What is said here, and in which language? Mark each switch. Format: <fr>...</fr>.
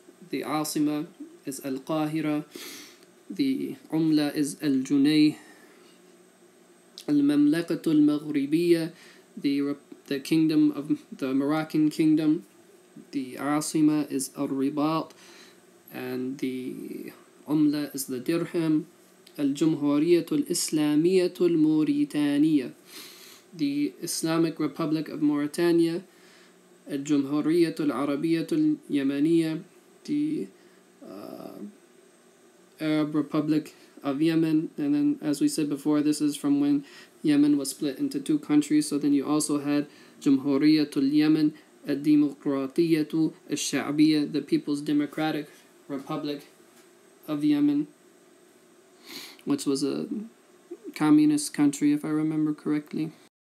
<en>The عاصمة is القاهرة. The عملة is الجنيه.</en> <ar>المملكة المغربية,</ar> <en>the kingdom of the Moroccan kingdom. The عاصمة is الرباط. And the عملة is the درهم.</en> <ar>الجمهورية الإسلامية الموريتانية.</ar> <en>The Islamic Republic of Mauritania,</en> <ar>الجمهورية العربية اليمنية,</ar> <en>the Arab Republic of Yemen, and then as we said before, this is from when Yemen was split into two countries, so then you also had</en> <ar>جمهورية اليمن, الديمقراطية الشعبية,</ar> <en>the People's Democratic Republic of Yemen, which was a communist country, if I remember correctly.</en>